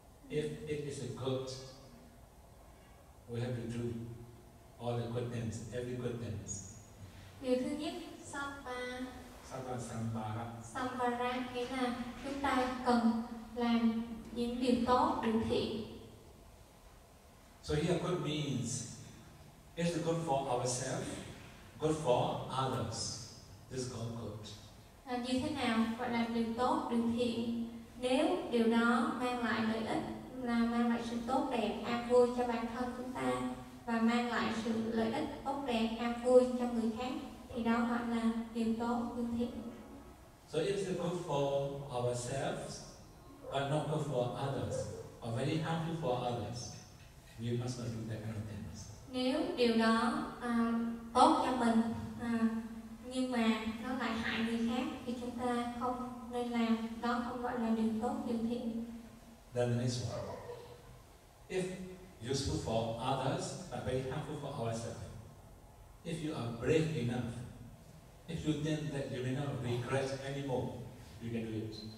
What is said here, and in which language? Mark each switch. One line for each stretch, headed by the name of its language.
English: If it is the good, we have to do all the good things, every good things.
Vietnamese: Điều thứ nhất, Sabba.
Pali: Sambara
Vietnamese: nghĩa là chúng ta cần làm những điều tốt, điều thiện.
English: So here good means it's good for ourselves, good for others. This is called good.
Vietnamese: Như thế nào gọi là điều tốt, điều thiện? Nếu điều đó mang lại lợi ích, là mang lại sự tốt đẹp, an vui cho bản thân chúng ta và mang lại sự lợi ích tốt đẹp, an vui cho người khác, thì đó gọi là điều tốt, điều thiện.
English: So it's good for ourselves, but not good for others, or very harmful for others. We must not do that kind of things.
Vietnamese: Nếu điều đó tốt cho mình, nhưng mà nó lại hại người khác, thì chúng ta không nên làm. Đó không gọi là điều tốt, điều thiện.
English: Then the next one. If useful for others, but very harmful for ourselves. If you are brave enough, if you think that you may not regret anymore, you can do it.